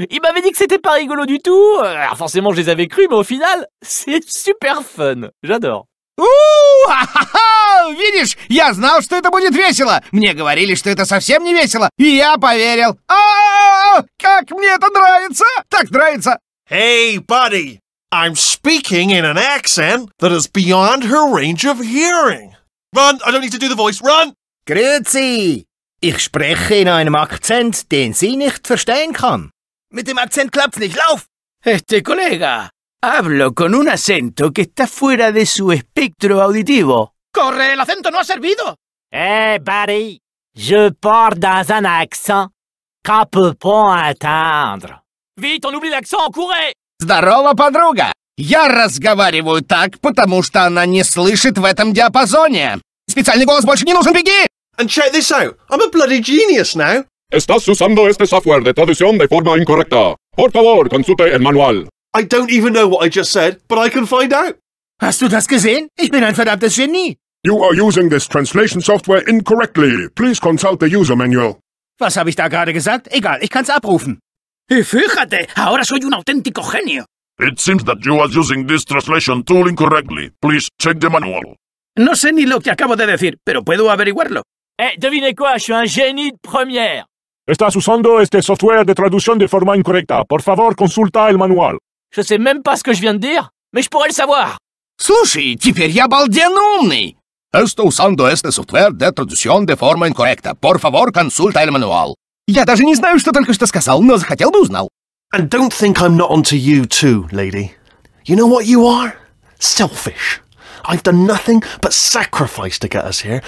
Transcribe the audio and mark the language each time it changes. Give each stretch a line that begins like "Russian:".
French: Ils m'avaient dit que c'était pas rigolo du tout. Alors forcément, je les avais cru, mais au final, c'est super fun. J'adore.
Russian: Видишь, я знал, что это будет весело. Мне говорили, что это совсем не весело. И я поверил. Как мне это нравится. Так нравится.
English: Hey, buddy. I'm speaking in an accent that is beyond her range of hearing. Run, I don't need to do the voice. Run.
German: Grüezi. Ich spreche in einem Akzent, den sie nicht verstehen kann. Mit dem Akzent klappt's nicht, lauf!
Spanish: Este colega, hablo con un acento que está fuera de su espectro auditivo. ¡Corre, el acento no ha servido!
English: Hey, buddy,
French: je parle dans un accent qu'on peut pas entendre. Vite, on oublie l'accent, courez!
Russian: Здорово, подруга! Я разговариваю так, потому что она не слышит в этом диапазоне. Специальный голос больше не нужен, беги!
English: And check this out. I'm a bloody genius now.
Spanish: Estás usando este software de traducción de forma incorrecta. Por favor, consulte el manual.
English: I don't even know what I just said, but I can find out.
German: Hast du das gesehen? Ich bin ein verdammtes Genie.
English: You are using this translation software incorrectly. Please consult the user manual.
German: Was habe ich da gerade gesagt? Egal, ich kann's abrufen.
Spanish: Y fíjate, ahora soy un auténtico genio.
English: It seems that you are using this translation tool incorrectly. Please check the manual.
Spanish: No sé ni lo que acabo de decir, pero puedo averiguarlo.
French: Eh, devinez quoi, je suis un génie de première.
Spanish: Estás usando este software de traducción de forma incorrecta. Por favor, consulta el manual.
French: Je sais même pas ce que je viens de dire, mais je pourrais le savoir.
Russian: Слушай, теперь я обалденно умный.
Spanish: Estoy usando este software de traducción de forma incorrecta. Por favor, consulta el manual.
Russian: Я даже не знаю, что только что сказал, но захотел бы узнал.
English: And don't think I'm not onto you too, lady. You know what you are? Selfish. I've done nothing but sacrifice to get us here.